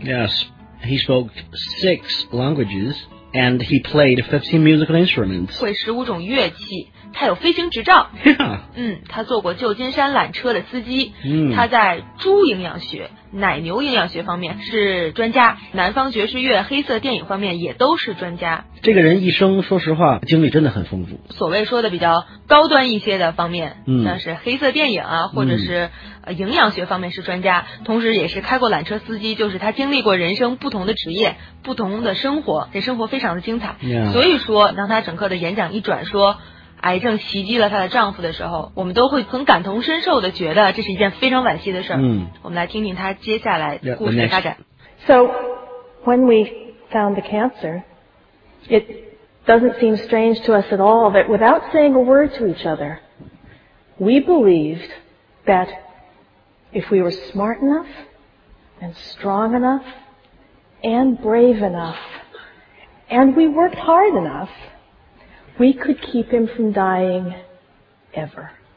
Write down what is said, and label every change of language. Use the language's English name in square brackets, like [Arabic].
[English] Yes, he spoke 6 languages and he played 15 musical instruments. [Chinese] 会15种乐器。他有飞行执照。他做过旧金山缆车的司机。他在猪营养学奶牛营养学方面是专家，南方爵士乐、黑色电影方面也都是专家。这个人一生说实话经历真的很丰富，所谓说的比较高端一些的方面、嗯、像是黑色电影啊，或者是、营养学方面是专家，同时也是开过缆车司机，就是他经历过人生不同的职业，不同的生活，这生活非常的精彩、 yeah. 所以说当他整个的演讲一转说癌症袭击了她的丈夫的时候，我们都会很感同身受的觉得这是一件非常惋惜的事儿。嗯，我们来听听她接下来故事的发展。 [English] So when we found the cancer, it doesn't seem strange to us at all that without saying a word to each other, we believed that if we were smart enough and strong enough and brave enough and we worked hard enough,We could keep him from dying ever.